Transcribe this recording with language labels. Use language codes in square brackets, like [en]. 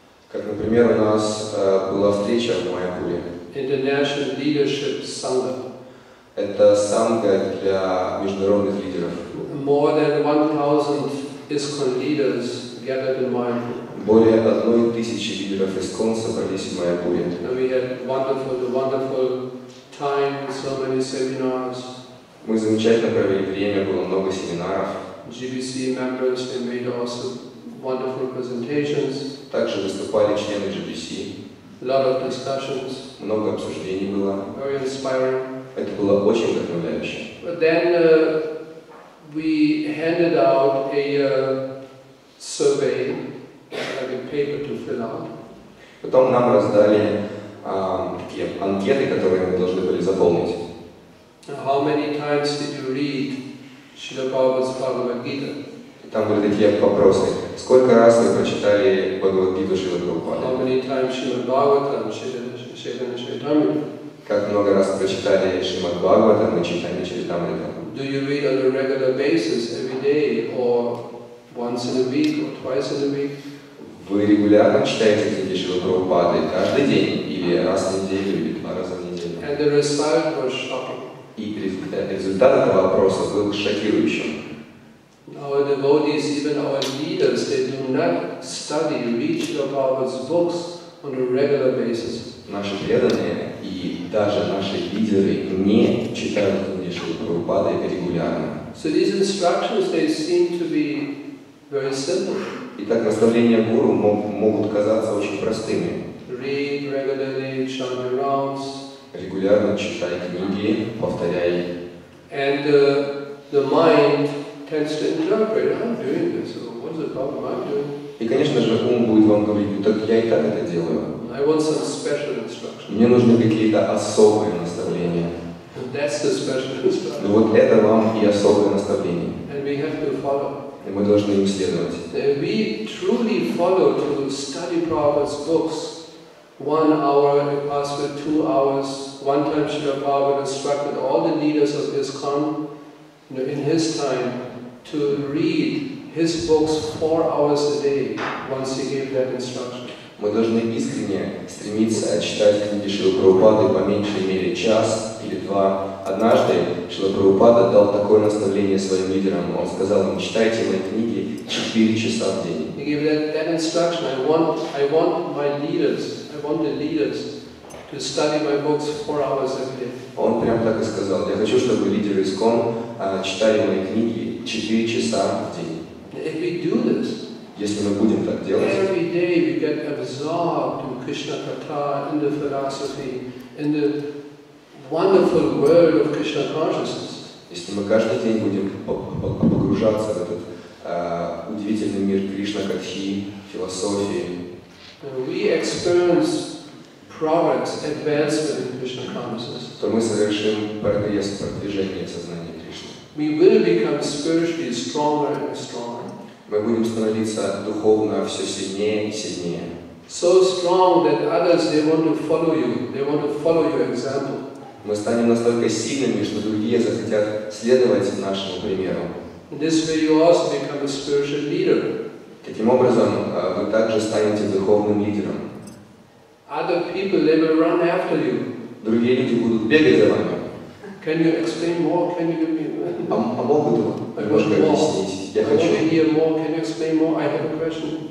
[ru] Как, например, у нас была встреча в Майяпуре. [en] International Leadership Sangha. [ru] Это сангха для международных лидеров. [en] More than 1,000 ISKCON leaders gathered in Майяпур. [ru] Более 1000 лидеров ИСКОН собрались в Майяпуре. [en] And we had wonderful time, so many seminars. [ru] Мы замечательно провели время, было много семинаров. [en] GBC members, they made also wonderful presentations. [ru] Также выступали члены GBC. [en] Lot of discussions. [ru] Много обсуждений было. [en] Very inspiring. [ru] Это было очень вдохновляюще. [en] But then we handed out a survey. Like a paper to fill out. [ru] Потом нам раздали такие анкеты, которые мы должны были заполнить. [en] How many times did you read Śrīla Prabhupāda's Bhagavad Gita? [ru] Там были такие вопросы: сколько раз вы прочитали Бхагавад Гиту Шрилы Прабхупады? [en] How many times Śrīmad Bhāgavatam, Śrīmad Śrīmad-Bhāgavatam? [ru] Как много раз прочитали Śrīmad Bhāgavatam, Śrīmad Śrīmad-Bhāgavatam? [en] Do you read on a regular basis every day or once in a week or twice in a week? [ru] Вы регулярно читаете книги Шрилы Прабхупады каждый день или раз в неделю или два раза в неделю? [en] And the result was shocking. [ru] И результат этого вопроса был шокирующим. [en] Our devotees, even our leaders, they do not study, read Śrīla Prabhupāda's books on a regular basis. [ru] Наши преданные и даже наши лидеры не читают книги Шрилы Прабхупады регулярно. [en] So these instructions, they seem to be very simple. [ru] Итак, наставления гуру могут казаться очень простыми. [en] Read regularly, chant your rounds. [ru] Регулярно читай книги, повторяй. [en] And the mind tends to interpret, I'm doing this, so what's the problem I'm doing? [ru] И, конечно же, ум будет вам говорить: так я и так это делаю. [en] I want some special instructions. [ru] Мне нужны какие-то особые наставления. [en] And that's the special instruction. [ru] Ну вот это вам и особое наставление. [en] And we have to follow. [ru] И мы должны им следовать. [en] We truly follow to study Prabhupada's books 1 hour, we pass for 2 hours. One time Śrīla Prabhupada instructed all the leaders of ISKCON, you know, in his time, to read his books 4 hours a day once he gave that instruction. [ru] Мы должны искренне стремиться читать книги Шрилы Прабхупады по меньшей мере час или два. Однажды Шрила Прабхупада дал такое наставление своим лидерам. Он сказал им: читайте мои книги 4 часа в день. [en] He gave that instruction. I want my leaders, I want the leaders to study my books 4 hours a day. [ru] Он прям так и сказал: я хочу, чтобы лидеры ИСКОН читали мои книги 4 часа в день. [en] If we do this, [ru] если мы будем так делать, [en] every day we get absorbed in Krishna Katha, in the philosophy, in the wonderful world of Krishna consciousness. [ru] Если мы каждый день будем погружаться в этот удивительный мир Кришна Катхи, философии, [en] we experience progress, advancement in Krishna consciousness. [ru] То мы совершим прогресс, продвижение сознания Кришны. [en] We will become spiritually stronger and stronger. [ru] Мы будем становиться духовно все сильнее и сильнее. [en] So strong that others, they want to follow you. They want to follow your example. [ru] Мы станем настолько сильными, что другие захотят следовать нашему примеру. [en] This way you also become a spiritual leader. [ru] Таким образом, вы также станете духовным лидером. [en] Other people, they will run after you. [ru] Другие люди будут бегать за вами. [en] Can you explain more? Can you give me? [ru] А могут вам немножко объяснить? Я хочу. [en] Hear more. Can you explain more? I have a question.